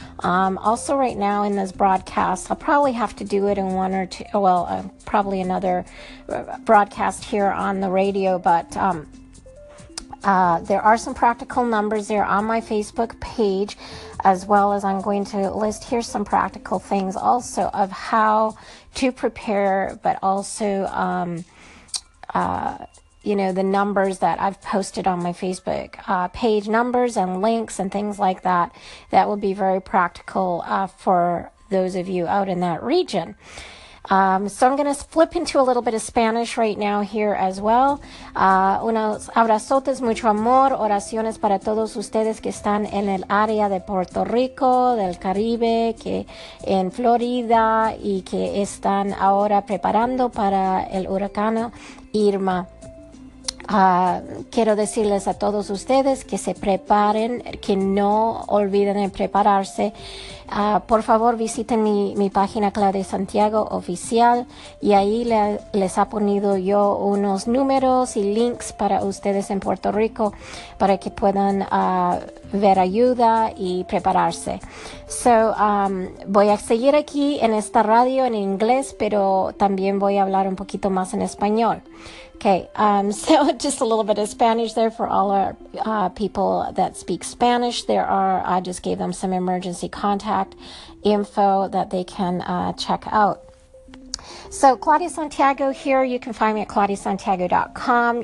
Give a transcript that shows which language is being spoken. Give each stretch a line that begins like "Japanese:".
English: Also right now in this broadcast, I'll probably have to do it in one or two, well, probably another broadcast here on the radio, but there are some practical numbers there on my Facebook page, as well as I'm going to list here some practical things also of how to prepare, but also you know, the numbers that I've posted on my Facebook page, numbers and links and things like that, that will be very practical for those of you out in that region. So I'm going to flip into a little bit of Spanish right now here as well.
Spanish: Unos abrazotes, mucho amor, oraciones para todos ustedes que están en el área de Puerto Rico, del Caribe, que en Florida y que están ahora preparando para el huracán Irma. Quiero decirles a todos ustedes que se preparen, que no olviden de prepararse. Por favor, visiten mi página Claudia Santiago Oficial, y ahí les ha ponido yo unos números y links para ustedes en Puerto Rico para que puedan ver ayuda y prepararse. So, voy a seguir aquí en esta radio en inglés, pero también voy a hablar un poquito más en español.
English: Okay, so just a little bit of Spanish there for all our people that speak Spanish. There are, I just gave them some emergency contact info that they can check out. So Claudia Santiago here. You can find me at claudiasantiago.com.